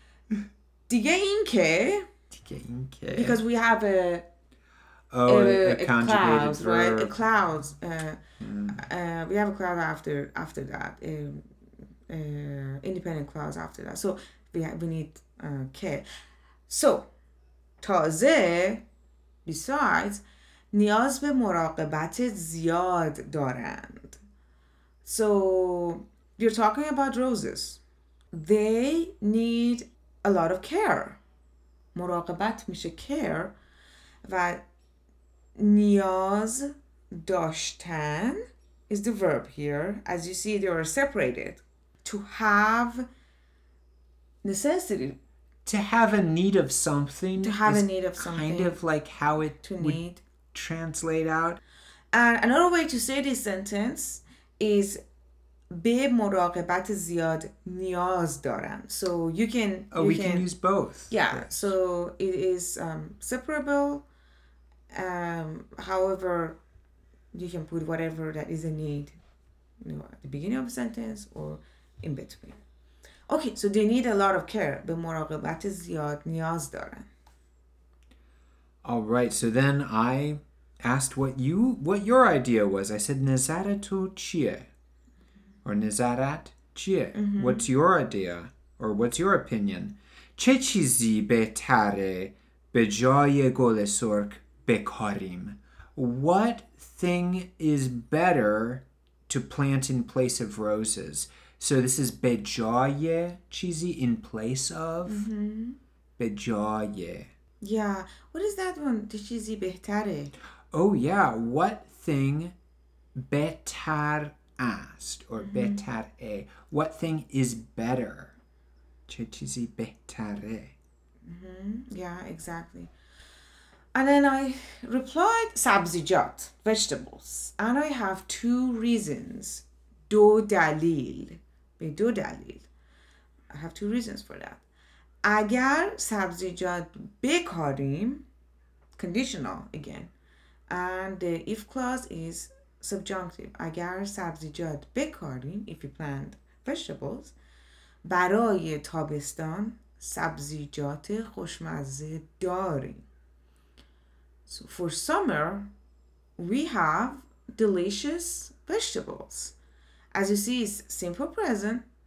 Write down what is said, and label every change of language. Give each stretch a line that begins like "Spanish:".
Persian: Dige inke. Dige inke.
English: Because we have a. Oh, a conjugated clause, verb. Right? A clause. We have a clause after that. Independent clause after that. So we need K.
Persian: So, تازه, besides, نیاز به مراقبت زیاد دارند.
English: So, you're talking about roses. They need a lot of care.
Persian: مراقبت میشه care. و نیاز داشتن
English: is the verb here. As you see, they are separated. To have necessity. To have a need of something. To have a need of something. Kind of like how it to would need. Translate out. And another way to say this sentence is
Persian: به مراقبت زیاد نیاز دارن.
English: So you can... We can use both. Yeah. Yes. So it is separable. However, you can put whatever that is a need, you know, at the beginning of a sentence or in between. Okay, so they need a lot of care.
Persian: به مراقبت زیاد نیاز دارن.
English: All right, so then I asked what your idea was. I said
Persian: نظرت چیه?
English: Or
Persian: نظرت چیه?
English: Mm-hmm. What's your idea? Or what's your opinion?
Persian: چه چیزی بهتره به جای گل سرخ بکاریم?
English: What thing is better to plant in place of roses? So this is
Persian: به جای چیزی,
English: in place of. Mm-hmm.
Persian: به جای.
English: Yeah. What is that one?
Persian: به چیزی بهتره.
English: Oh, yeah. What thing
Persian: بهتر است?
English: Or mm-hmm.
Persian: بهتره.
English: What thing is better?
Persian: چه چیزی بهتره.
English: Mm-hmm. Yeah, exactly. And then I replied سبزیجات, vegetables. And I have two reasons.
Persian: دو دلیل. به دو دلیل.
English: I have two reasons for that.
Persian: اگر سبزیجات بکاریم,
English: conditional again, and the if clause is subjunctive.
Persian: اگر سبزیجات بکاریم,
English: if you plant vegetables,
Persian: برای تابستان سبزیجات خوشمزه داریم.
English: So for summer, we have delicious vegetables. As you see, it's simple present.